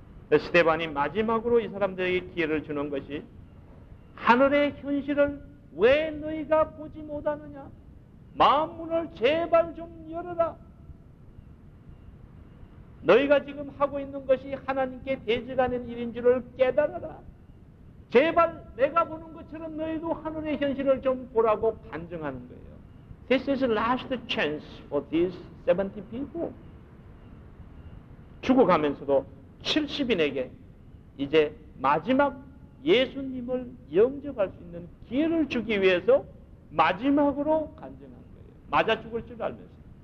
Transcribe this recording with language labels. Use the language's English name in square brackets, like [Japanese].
[Korean] 스데반이 마지막으로 이 사람들에게 기회를 주는 것이 하늘의 현실을 왜 너희가 보지 못하느냐? 마음문을 제발 좀 열어라. 너희가 지금 하고 있는 것이 하나님께 대적하는 일인 줄을 깨달아라. 제발 내가 보는 것처럼 너희도 하늘의 현실을 좀 보라고 간증하는 거예요. [English] This is the last chance for these 70 people. [Korean] 죽어가면서도 70인에게 이제 마지막 예수님을 영접할 수 있는 기회를 주기 위해서 마지막으로 간증한 거예요. 맞아 죽을 줄 알면서.